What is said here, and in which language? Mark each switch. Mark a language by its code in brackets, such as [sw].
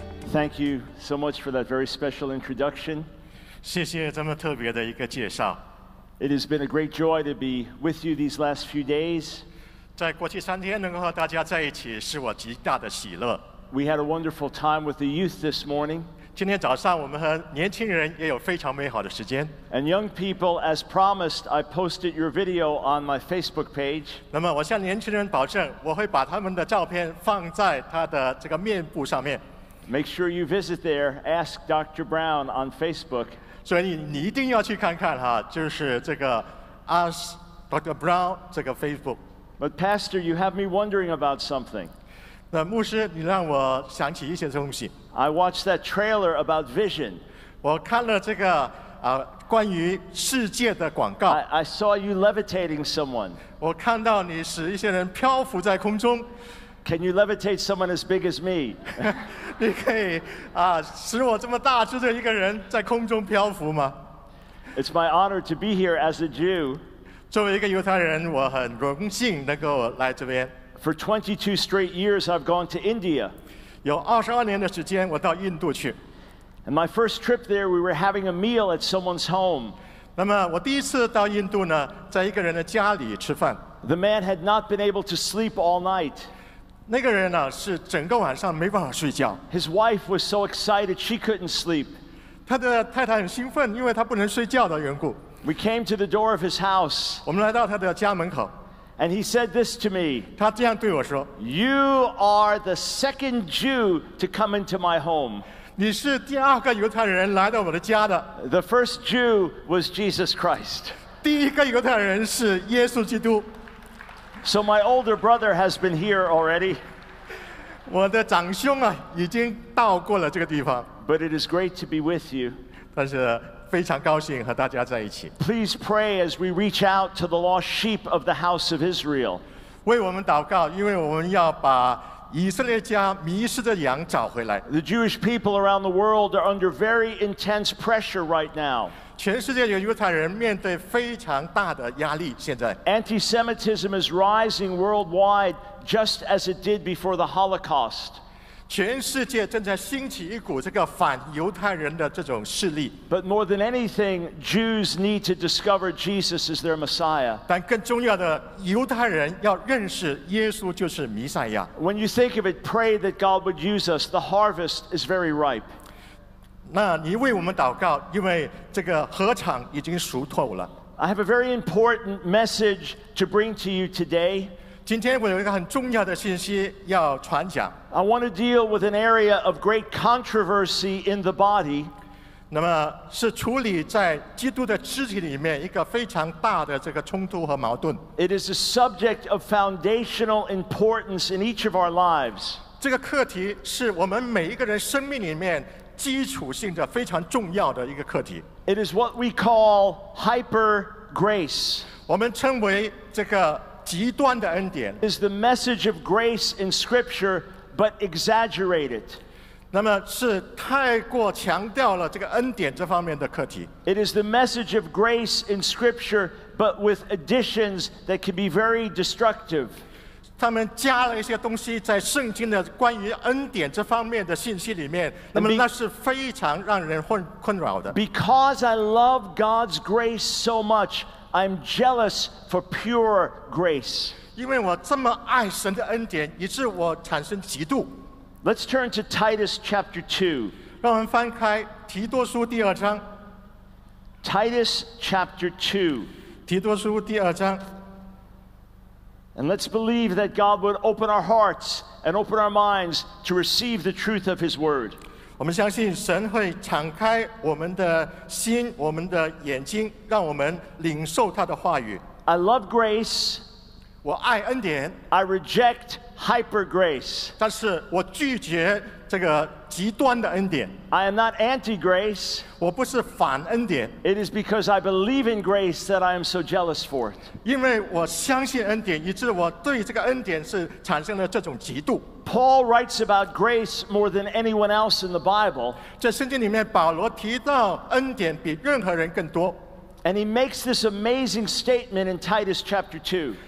[en] Thank you so much for that very special introduction. [zh] 谢谢这么特别的一个介绍。 [en] It has been a great joy to be with you these last few days. [zh] 在过去三天能够和大家在一起是我极大的喜乐。 [en] We had a wonderful time with the youth this morning. [zh] 今天早上我们和年轻人也有非常美好的时间。 [en] And young people, as promised, I posted your video on my Facebook page. [zh] 那么我向年轻人保证，我会把他们的照片放在他的这个面部上面。 [en] Make sure you visit there. Ask Dr. Brown on Facebook. [zh] 所以你一定要去看看哈，就是这个 Ask Dr. Brown 这个 Facebook. [en] But Pastor, you have me wondering about something. [zh] 那牧师，你让我想起一些东西。 [en] I watched that trailer about vision. [zh] 我看了这个关于世界的广告。 [en] I saw you levitating someone. [zh] 我看到你使一些人漂浮在空中。 [en] Can you levitate someone as big as me? [zh] 你可以使我这么大只的一个人在空中漂浮吗？ [en] It's my honor to be here as a Jew. [zh] 作为一个犹太人，我很荣幸能够来这边。 [en] For 22 straight years, I've gone to India. [zh] 有22年的时间，我到印度去。 [en] And my first trip there, we were having a meal at someone's home. [zh] 那么我第一次到印度呢，在一个人的家里吃饭。 [en] The man had not been able to sleep all night. [zh] 那个人呢，是整个晚上没办法睡觉。 [en] His wife was so excited she couldn't sleep. [zh] 他的太太很兴奋，因为他不能睡觉的缘故。 [en] We came to the door of his house. [zh] 我们来到他的家门口。 [en] And he said this to me. [zh] 他这样对我说 [en] ：“You are the second Jew to come into my home. [zh] 你是第二个犹太人来到我的家的。 [en] The first Jew was Jesus Christ. [zh] 第一个犹太人是耶稣基督。” [en] So my older brother has been here already. [zh] 我的长兄啊，已经到过了这个地方。 [en] But it is great to be with you. [zh] 但是非常高兴和大家在一起。 [en] Please pray as we reach out to the lost sheep of the house of Israel. [zh] 为我们祷告，因为我们要把以色列家迷失的羊找回来。 [en] The Jewish people around the world are under very intense pressure right now. [zh] 全世界的犹太人面对非常大的压力。现在 [en] ，Antisemitism is rising worldwide, just as it did before the Holocaust. [zh] 全世界正在兴起一股这个反犹太人的这种势力。 [en] But more than anything, Jews need to discover Jesus as their Messiah. [zh] 但更重要的，犹太人要认识耶稣就是弥赛亚。 [en] When you think of it, pray that God would use us. The harvest is very ripe. [zh] 那你为我们祷告，因为这个禾场已经熟透了。 [en] I have a very important message to bring to you today. [zh] 今天我有一个很重要的信息要传讲。 [en] I want to deal with an area of great controversy in the body. [zh] 那么是处理在基督的肢体里面一个非常大的这个冲突和矛盾。 [en] It is a subject of foundational importance in each of our lives. [zh] 这个课题是我们每一个人生命里面基础性的非常重要的一个课题。 [en] It is what we call hyper grace. [zh] 我们称为这个极端的恩典。 [en] Is the message of grace in Scripture, but exaggerated? [zh] 那么是太过强调了这个恩典这方面的课题。 [en] It is the message of grace in Scripture, but with additions that can be very destructive. [zh] 他们加了一些东西在圣经的关于恩典这方面的信息里面，那么那是非常让人困扰的。 [en] Because I love God's grace so much, I'm jealous for pure grace. [zh] 因为我这么爱神的恩典，以致我产生嫉妒。 [en] Let's turn to Titus chapter 2. [zh] 让我们翻开提多书第二章。 [en] Titus chapter 2. [zh] 提多书第二章。 [en] And let's believe that God would open our hearts and open our minds to receive the truth of His Word. [zh] 我们相信神会敞开我们的心，我们的眼睛，让我们领受他的话语。 [en] I love grace. [zh] 我爱恩典。 [en] I reject hyper grace. [zh] 但是我拒绝这个极端的恩典。 [en] I am not anti grace. [zh] 我不是反恩典。 [en] It is because I believe in grace that I am so jealous for it. [zh] 因为我相信恩典，以致我对这个恩典是产生了这种嫉妒。 [en] Paul writes about grace more than anyone else in the Bible. [zh] 在圣经里面，保罗提到恩典比任何人更多。 [en] And he makes this amazing statement in Titus chapter 2.